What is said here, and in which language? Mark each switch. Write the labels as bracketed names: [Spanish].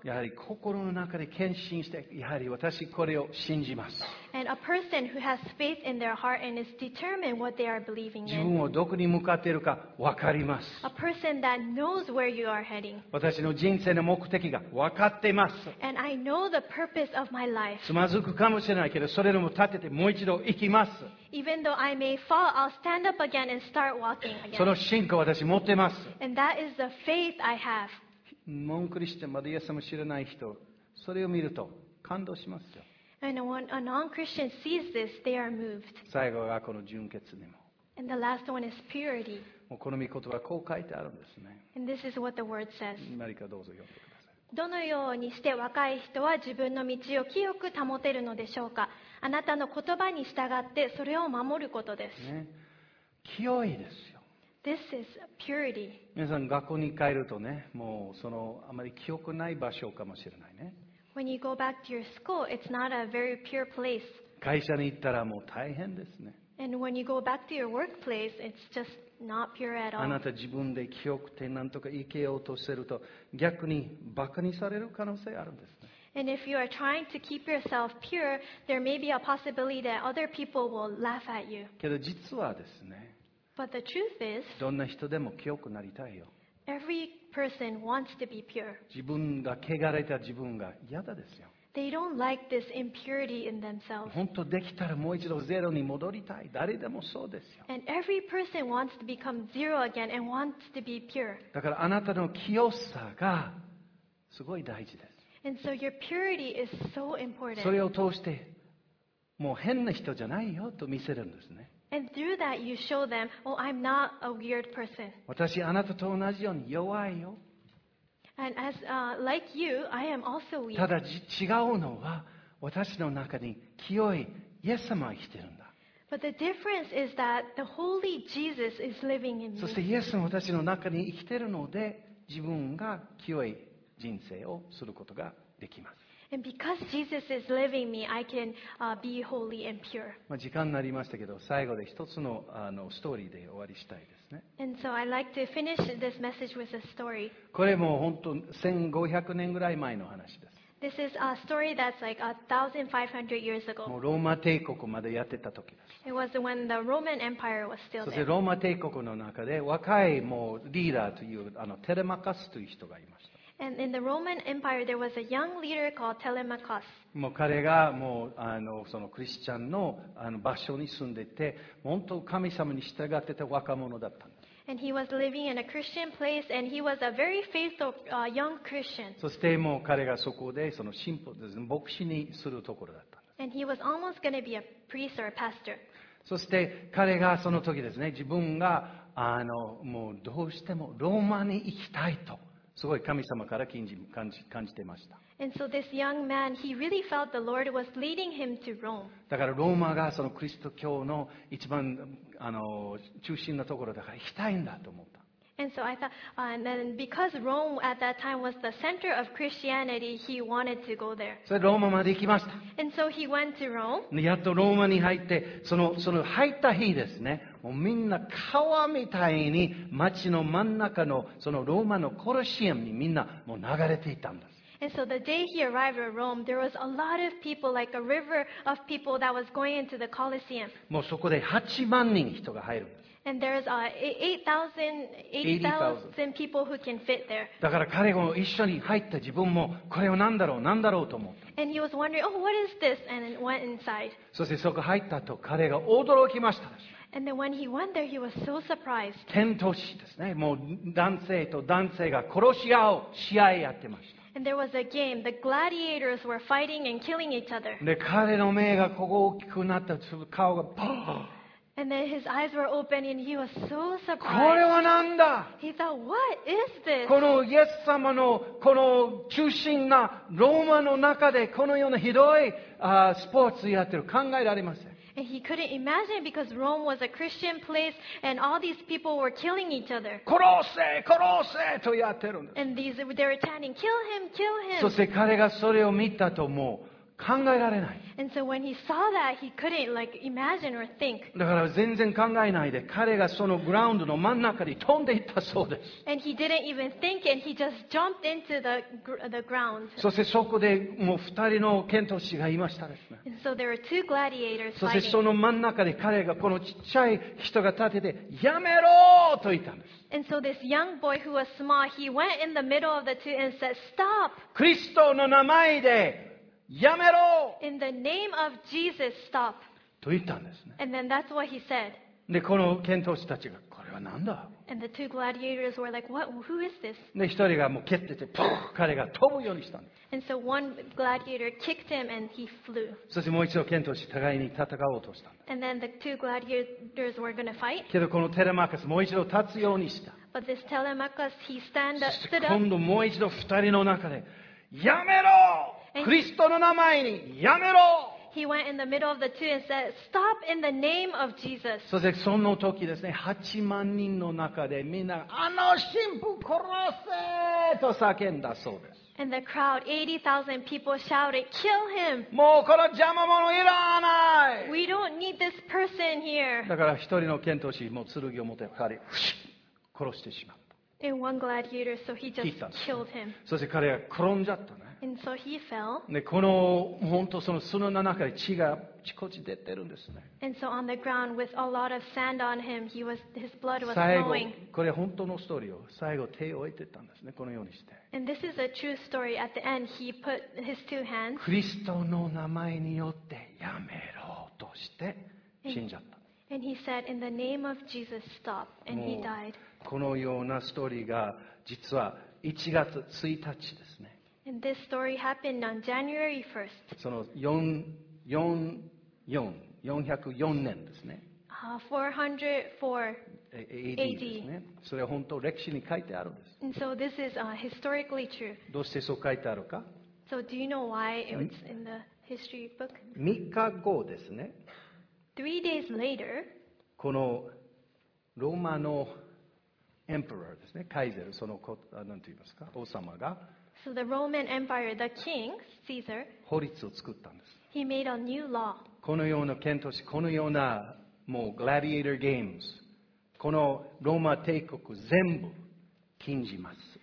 [Japanese] やはり心の中で献身して、やはり私これを信じます。 [English] And a person who has faith in their heart and is determined what they are believing in. [Japanese] 自分をどこに向かっているか分かります。 [English] A person that knows where you are heading. [Japanese] 私の人生の目的が分かっています。 [English] And I know the purpose of my life. [Japanese] つまずくかもしれないけど、それでも立ててもう一度行きます。 [English] Even though I may fall, I'll stand up again and start walking again. [Japanese] その信仰を私持ってます。 [English] And that is the faith I have. [Japanese] 門クリスチャン、まだイエス様を知らない人、それを見ると感動しますよ。 [English] And when a non-Christian sees this, they are moved. [Japanese] 最後はこの純潔にも。 [English] And the last one is purity. [Japanese] もうこの御言葉はこう書いてあるんですね。 [English] And this is what the word says. [Japanese] 何かどうぞ読んでください。どのようにして若い人は自分の道を清く保てるのでしょうか。あなたの言葉に従ってそれを守ることです。ね、清いですよ。 [English] This is purity. [Japanese] 皆さん学校に帰るとね、もうそのあまり清くない場所かもしれないね。 [English] When you go back to your school, it's not a very pure place. [Japanese] 会社に行ったらもう大変ですね。 [English] And when you go back to your workplace, it's just not pure at all. [Japanese] あなた自分で清くて何とか生きようとすると逆にバカにされる可能性あるんですね。 [English] And if you are trying to keep yourself pure, there may be a possibility that other people will laugh at you. [Japanese] けど実はですね。 [English] But the truth is, [Japanese] どんな人でも清くなりたいよ。 [English] Every person wants to be pure. [Japanese] 自分が汚れた自分が嫌だですよ。 [English] They don't like this impurity in themselves. [Japanese] 本当できたらもう一度ゼロに戻りたい。誰でもそうですよ。 [English] And every person wants to become zero again and wants to be pure. [Japanese] だからあなたの清さがすごい大事です。 [English] And so your purity is so important. [Japanese] それを通してもう変な人じゃないよと見せるんですね。 [English] And through that you show them, oh, I'm not a weird person. [Japanese] 私あなたと同じように弱いよ。 [English] And as, like you, I am also weak. [Japanese] ただ違うのは私の中に清いイエス様が生きてるんだ。 [English] But the difference is that the holy Jesus is living in me. [Japanese] そしてイエス様私の中に生きてるので自分が清い人生をすることができます。 [English] And because Jesus is living me, I can be holy and pure. [Japanese] まあ時間になりましたけど、最後で一つの、ストーリーで終わりしたいですね。 [English] And so I'd like to finish this message with a story. [Japanese] これも本当1500年ぐらい前の話です。 [English] This is a story that's like 1500 years ago. [Japanese] もうローマ帝国までやってた時です。 [English] It was when the Roman Empire was still there. [Japanese] そしてローマ帝国の中で若いもうリーダーというテレマカスという人がいました。 [English] And in the Roman Empire, there was a young leader called Telemachus. [Japanese] もう彼がもうそのクリスチャン の, 場所に住んでて、本当神様に従ってた若者だったんです。 [English] And he was living in a Christian place, and he was a very faithful young Christian. [Japanese] そしてもう彼がそこでその神父ですね、牧師にするところだったんです。 [English] And he was almost going to be a priest or a pastor. [Japanese] そして彼がその時ですね、自分がもうどうしてもローマに行きたいと。すごい神様から感じてました。 [English] And so this young man, he really felt the Lord was leading him to Rome. [Japanese] だからローマがそのクリスト教の一番中心のところだから行きたいんだと思った。 [English] And so I thought, and then because Rome at that time was the center of Christianity, he wanted to go there. [Japanese] それでローマまで行きました。 [English] And so he went to Rome. [Japanese] やっとローマに入って、その入った日ですね、もうみんな川みたいに街の真ん中のそのローマのコロシアムにみんなもう流れていたんです。 [English] And so the day he arrived at Rome, there was a lot of people, like a river of people that was going into the Colosseum. [Japanese] もうそこで8万人人が入る。 [English] And there's 80,000 people who can fit there. [Japanese] だから彼も一緒に入った自分もこれは何だろう何だろうと思って。 [English] And he was wondering, oh, what is this? And went inside. [Japanese] そしてそこ入ったと彼が驚きました。 [English] And then when he went there, he was so surprised. [Japanese] 剣闘士ですね。もう男性と男性が殺し合う試合やってました。 [English] And there was a game. The gladiators were fighting and killing each other. [Japanese] で、彼の目がここ大きくなった顔がパ [English] ー。And then his eyes were open and he was so surprised. [Japanese] これはなんだ。 [English] He thought, what is this? [Japanese] このイエス様のこの中心なローマの中でこのようなひどいスポーツやってる考えられません。 [English] And he couldn't imagine because Rome was a Christian place and all these people were killing each other. [Japanese] 殺せ殺せとやってるんです。 [English] And they were chanting, kill him, kill him. [Japanese] そして彼がそれを見たともう考えられない。 [English] And so when he saw that, he couldn't like imagine or think. [Japanese] だから全然考えないで彼がそのグラウンドの真ん中に飛んでいったそうです。 [English] And he didn't even think and he just jumped into the ground. [Japanese] そしてそこでもう二人の剣闘士がいましたですね。 [English] And so there were two gladiators fighting. [Japanese] そしてその真ん中で彼がこのちっちゃい人が立ててやめろと言ったんです。 [English] And so this young boy who was small, he went in the middle of the two and said, stop! [Japanese] クリストの名前でやめろ。 [English] In the name of Jesus, stop. [Japanese] と言ったんですね。 [English] And then that's what he said. [Japanese] で、この剣闘士たちがこれはなんだ。 [English] And the two gladiators were like, what? Who is this? [Japanese] で、一人がもう蹴ってて、ポーッ、彼が飛ぶようにしたんです。 [English] And so one gladiator kicked him and he flew. [Japanese] そしてもう一度剣闘士互いに戦おうとしたんです。 [English] And then the two gladiators were going to fight. [Japanese] けどこのテレマカスもう一度立つようにした。 [English] But this Telemachus, he stood up. [Japanese] そして今度もう一度二人の中でやめろ。クリストの名前にやめろ。 [English] He went in the middle of the two and said, stop in the name of Jesus. [Japanese] そしてその時ですね、8万人の中でみんなあの神父殺せと叫んだそうです。 [English] And the crowd, 80,000 people shouted, kill him. [Japanese] もうこの邪魔者いらない。 [English] We don't need this person here. [Japanese] だから一人の剣闘士も剣を持って彼を殺してしまった。 [English] And one gladiator, so he just killed him. [Japanese] そして彼は転んじゃったね。 [English] And so he fell. [Japanese] でこの本当その砂の中で血がちこち出てるんですね。 [English] And so on the ground with a lot of sand on him, his blood was flowing. [Japanese] これ本当のストーリーを最後手を置いてたんですね。このようにして。 [English] And this is a true story. At the end, he put his two hands. [Japanese] クリストの名前によってやめろとして死んじゃった。 [English] And he said, in the name of Jesus, stop. And he died. [Japanese] このようなストーリーが実は1月1日ですね。 [English] And this story happened on January 1st. [Japanese] その404年ですね。 [English] 404 AD [Japanese] ですね。それは本当歴史に書いてあるんです。 [English] And so this is historically true. [Japanese] どうしてそう書いてあるか。 [English] So do you know why it's in the history book? [Japanese] 3日後ですね。 [English] Three days later. [Japanese] このローマのエンプラーですね。カイゼル、その何と言いますか、王様が。 [English] So the Roman Empire, the king, Caesar, [Japanese] 法律を作ったんです。 [English] He made a new law. [Japanese] このような剣闘士、このようなもうグラディエーターゲーム、このローマ帝国全部禁じます。